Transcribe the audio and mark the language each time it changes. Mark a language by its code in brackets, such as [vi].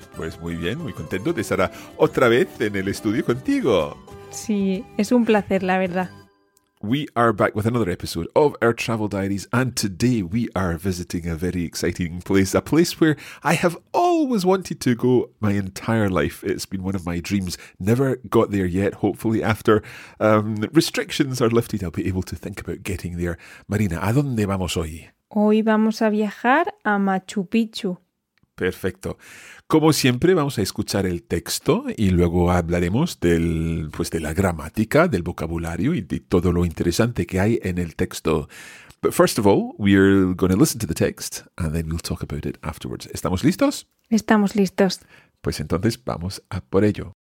[es] Pues muy bien, muy contento de estar otra vez en el estudio contigo. Sí, es un placer, la verdad. [en] We are back with another episode of our Travel Diaries, and today we are visiting a very exciting place, a place where I have always wanted to go my entire life. It's been one of my dreams. Never got there yet. Hopefully after restrictions are lifted, I'll be able to think about getting there. [es] Marina, ¿a dónde vamos hoy? Hoy vamos a viajar a Machu Picchu. Perfecto. Como siempre, vamos a escuchar el texto y luego hablaremos de la gramática, del vocabulario y de todo lo interesante que hay en el texto. [en] But first of all, we're going to listen to the text and then we'll talk about it afterwards. [es] ¿Estamos listos? Estamos listos. Pues entonces vamos a por ello.